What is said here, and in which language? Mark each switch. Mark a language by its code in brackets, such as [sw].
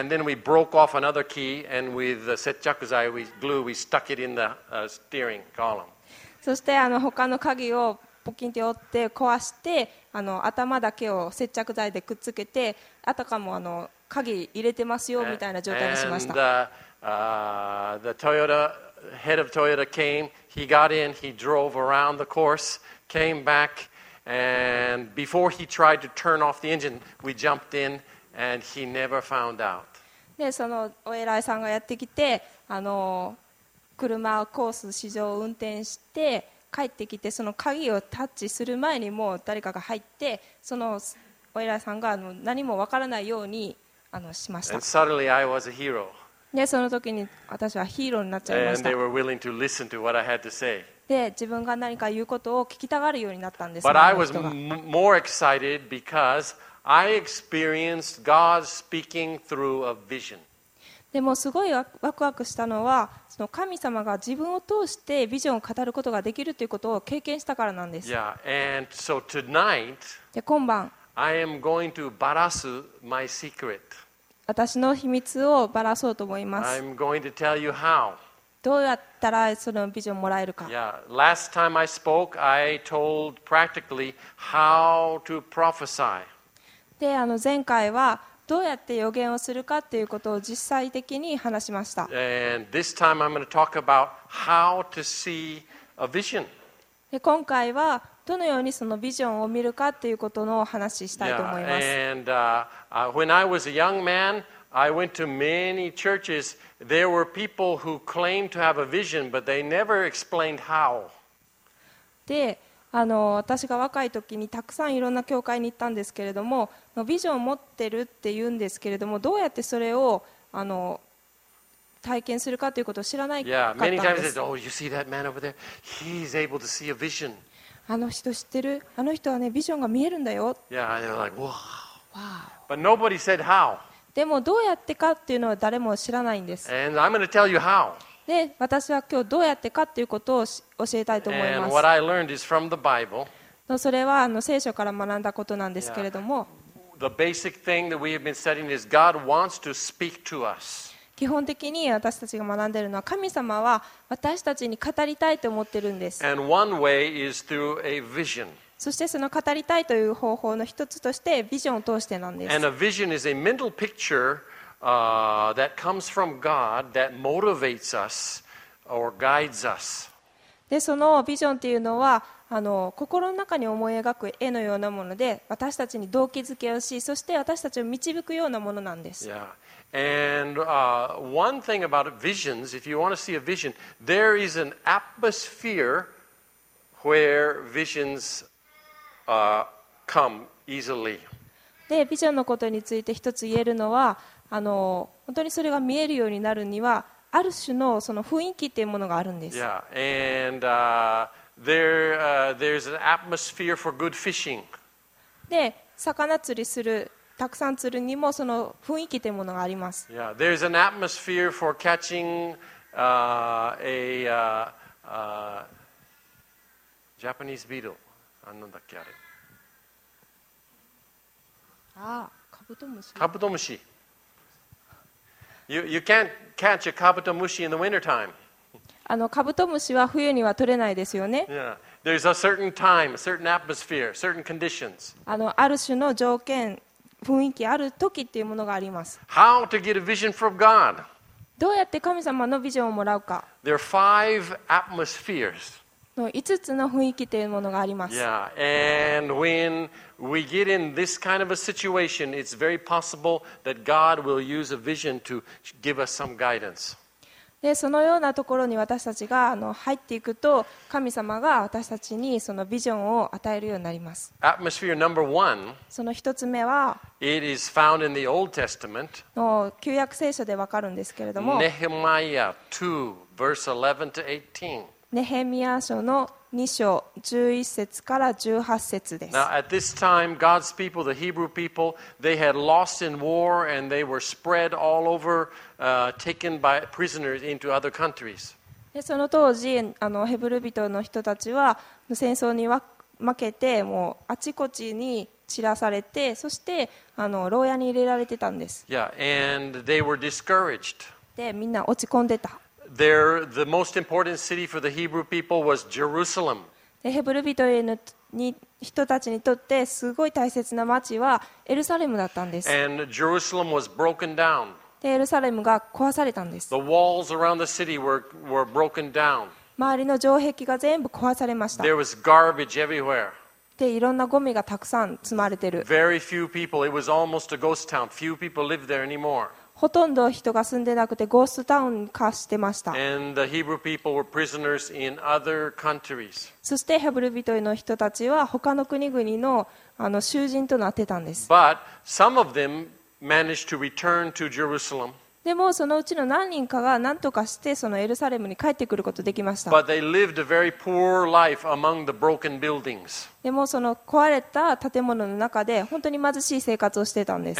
[en] And then we broke off another key and with the [ja] 接着剤 [en] we glue we stuck it in the steering column. [ja] そしてあの他の鍵をポキンって折って壊してあの頭だけを接着剤でくっつけてあたかもあの鍵入れてますよみたいな状態にしました。 [en] The Toyota head of Toyota came. He got in. He drove around the course, came back, and before he tried to turn off the engine, we jumped in, and he never found out. [ja] で、そのお偉いさんがやってきて、あの車をコース試乗を運転して帰ってきて、その鍵をタッチする前にもう誰かが入って、そのお偉いさんがあの何もわからないようにあのしました。 [en] And suddenly I was a hero. [ja] でその時に私はヒーローになっちゃいました。で自分が何か言うことを聞きたがるようになったんです。 [en] But I was more excited because I experienced God speaking through a vision. [ja] でもすごいワクワクしたのはその神様が自分を通してビジョンを語ることができるということを経験したからなんです。 [en] Yeah, and so tonight, [ja] で今晩、 [en] I am going to [ja] バラす [en] my secret. [ja] 私の秘密をバラそうと思います。 [en] I'm going to tell you how. [ja] どうやったらそのビジョンをもらえるか。 [en] Yeah, last time I spoke, I told practically how to prophesy. [ja] で、あの前回はどうやって予言をするかということを実際的に話しました。 [en] And this time I'm going to talk about how to see a vision. [ja] で、今回はどのようにそのビジョンを見るかということのお話ししたいと思います。 [en] Yeah, and, when I was a young man, I went to many churches. There were people who claimed to have a vision, but they never explained how. [ja] で、あの、私が若い時にたくさんいろんな教会に行ったんですけれども、ビジョンを持ってるって言うんですけれども、どうやってそれをあの体験するかということを知らないかったんです。 [en] Yeah, many times they said, "Oh, you see that man over there? He's able to see a vision." [ja] あの人知ってる？あの人はね、ビジョンが見えるんだよ。 [en] Yeah, they were like, wow. Wow. But nobody said how. [ja] でもどうやってかっていうのは誰も知らないんです。 [en] And I'm going to tell you how. [ja] で、私は今日どうやってかっていうことを教えたいと思います。 [en] And what I learned is from the Bible. [ja] それはあの聖書から学んだことなんですけれども。 [en] Yeah. The basic thing that we have been studying is God wants to speak to us. [ja] 基本的に私たちが学んでいるのは神様は私たちに語りたいと思っているんです。 [en] And one way is through a vision. [ja] そしてその語りたいという方法の一つとしてビジョンを通してなんです。 [en] And a vision is a mental picture, that comes from God that motivates us or guides us. [ja] でそのビジョンというのはあの心の中に思い描く絵のようなもので私たちに動機づけをしそして私たちを導くようなものなんです。 [en] Yeah. And one thing about visions, if you want to see a vision, there is an atmosphere where visions come easily. [ja] で、ビジョンのことについて一つ言えるのは、あの、本当にそれが見えるようになるには、ある種のその雰囲気っていうものがあるんです。 [en] Yeah, and there's an atmosphere for good fishing. [ja] で、魚釣りする。たくさん釣るにもその雰囲気というものがあります。 [en] Yeah, there's an atmosphere for catching Japanese beetle. [ja] あ、なんだっけあれ。あ、カブトムシ。カブトムシ。 [en] You can't catch a kabutomushi in the winter time. [ja] あのカブトムシは冬には取れないですよね。 [en] Yeah. There's a certain time, a certain atmosphere, certain conditions. [ja] あの、ある種の条件。雰囲気ある時っていうものがあります。 [en] How to get a vision from God? [ja] どうやって神様のビジョンをもらうか。 [en] There are five atmospheres. [ja] の五つの雰囲気というものがあります。 [en] Yeah, and when we get in this kind of a situation, it's very possible that God will use a vision to give us some guidance. [ja] でそのようなところに私たちが入っていくと神様が私たちにそのビジョンを与えるようになります。 [en] Atmosphere number one, [ja] その一つ目は [en] It is found in the Old Testament, [ja] 旧約聖書でわかるんですけれども [en] Nehemiah 2 verse 11 to 18 [ja] ネヘミヤ書の2章11節から18節です。 [en] Now at this time God's people, the Hebrew people, they had lost in war and they were spread all over, taken by prisoners into other countries. [ja] でその当時ヘブル人の人たちは戦争に負けてもうあちこちに散らされて、そして牢屋に入れられてたんです。 [en] Yeah, and they were discouraged. [ja] でみんな落ち込んでた。 [en] The most important city for the Hebrew people was Jerusalem. [ja] ヘブル人たちにとってすごい大切な町はエルサレムだったんです。 [en] And Jerusalem was broken down. [ja] でエルサレムが壊されたんです。 [en] The walls around the city were broken down. [ja] 周りの城壁が全部壊されました。 [en] There was garbage everywhere. [ja] でいろんなゴミがたくさん積まれてる。 [en] Very few people. It was almost a ghost town. Few people lived there anymore. [ja] ほとんど人が住んでなくてゴーストタウン化してました。そしてヘブル人の人たちは他の国々 の囚人となってたんです。 [en] But some of them managed to return to Jerusalem. [ja] でもそのうちの何人かが何とかしてそのエルサレムに帰ってくることができました。 [en] But they lived a very poor life among the broken buildings. [ja] でもその壊れた建物の中で本当に貧しい生活をしてたんです。